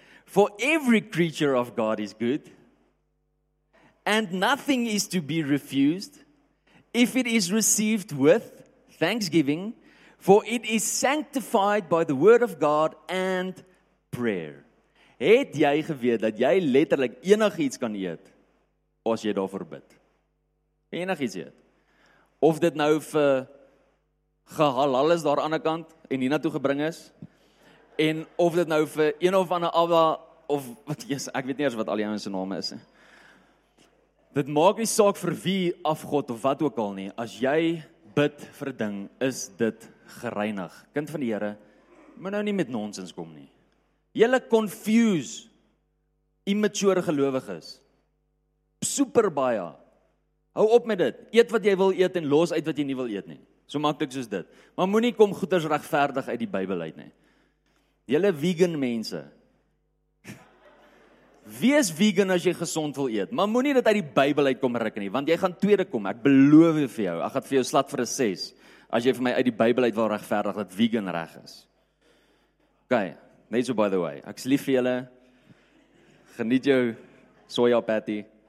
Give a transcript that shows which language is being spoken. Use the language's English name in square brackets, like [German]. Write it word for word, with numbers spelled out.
[English] For every creature of God is good, and nothing is to be refused, if it is received with thanksgiving, for it is sanctified by the word of God and prayer. [Afrikaans] Het jy geweet dat jy letterlik enigiets kan eet, as jy daarvoor bid? Enigiets eet. Of dit nou vir gehalal is daar aan die ander kant, en hierna toe gebring is, en of dit nou vir een of ander Abba, of wat Jesus, ek weet nie eers wat al die ouens se name is nie. Dit maak nie saak vir wie afgod of wat ook al nie. As jy bid vir 'n ding, is dit gereinig. Kind van die Here, moet nou nie met nonsens kom nie. Julle confuse immature gelowiges. Super baie. Hou op met dit. Eet wat jy wil eet en los uit wat jy nie wil eet nie. So maklik soos dit. Maar moenie kom goeders regverdig uit die Bybel uit nie. Julle vegan mense. Wees vegan as jy gesond wil eet, maar moenie dit uit die Bybel uitkom ruk nie, want jy gaan tweede kom. Ek beloof vir jou, ek gaan vir jou slat vir 'n ses as jy vir my uit die Bybel uit wil regverdig dat vegan reg is. OK, net so [English] by the way. [Afrikaans] Ek's lief vir julle. Geniet jou soja patty.